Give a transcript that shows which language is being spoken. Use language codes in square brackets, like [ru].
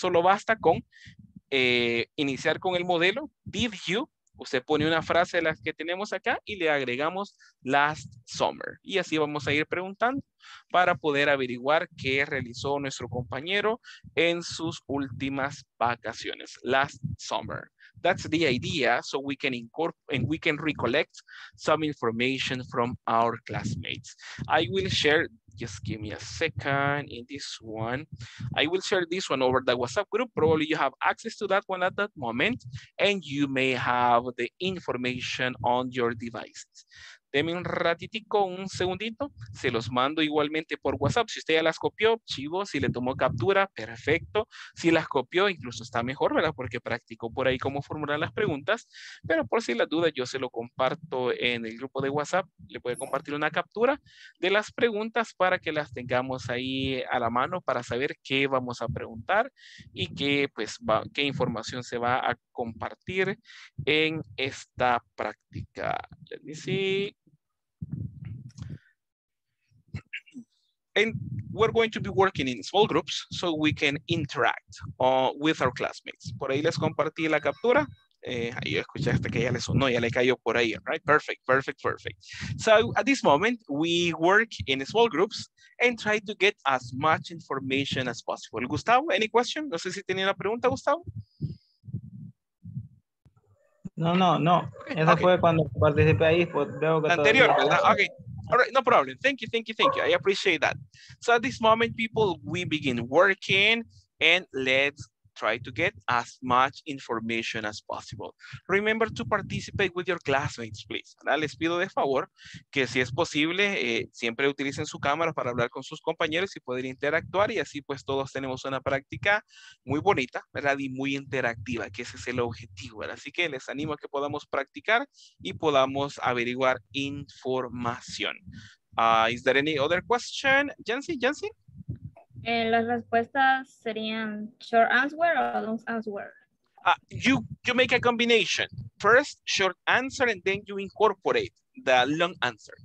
[es] Solo basta con iniciar con el modelo. [en] Did you? [es] Usted pone una frase de las que tenemos acá y le agregamos last summer. Y así vamos a ir preguntando para poder averiguar qué realizó nuestro compañero en sus últimas vacaciones. [en] Last summer. That's the idea, so we can incorporate and we can recollect some information from our classmates. I will share, just give me a second, in this one. I will share this one over the WhatsApp group. Probably you have access to that one at that moment, and you may have the information on your devices. [es] Deme un ratitico, un segundito. Se los mando igualmente por WhatsApp. Si usted ya las copió, chivo. Si le tomó captura, perfecto. Si las copió, incluso está mejor, ¿verdad? Porque practicó por ahí cómo formular las preguntas. Pero por si las dudas, yo se lo comparto en el grupo de WhatsApp. Le puede compartir una captura de las preguntas para que las tengamos ahí a la mano para saber qué vamos a preguntar y qué, pues, va, qué información se va a compartir en esta práctica. [en] Let me see. And we're going to be working in small groups so we can interact with our classmates. [es] Por ahí les compartí la captura. Ahí escuchaste que ya le sonó, ya le cayó por ahí, [en] right? Perfect, perfect, perfect. So at this moment, we work in small groups and try to get as much information as possible. Gustavo, any question? [es] No sé si tenía una pregunta, Gustavo. No, no, no. Esa okay. fue cuando participé ahí. Veo que anterior, ¿verdad? Todavía... [en] Okay. All right, no problem. Thank you, thank you, thank you. I appreciate that. So at this moment, people, we begin working and let's try to get as much information as possible. Remember to participate with your classmates, please. [es] ¿Verdad? Les pido de favor que si es posible, siempre utilicen su cámara para hablar con sus compañeros y poder interactuar y así pues todos tenemos una práctica muy bonita, ¿verdad? Y muy interactiva, que ese es el objetivo, ¿verdad? Así que les animo a que podamos practicar y podamos averiguar información. [en] Is there any other question? Jancy? [es] Las respuestas serían short answer o long answer. [en] You make a combination. First, short answer, and then you incorporate the long answer.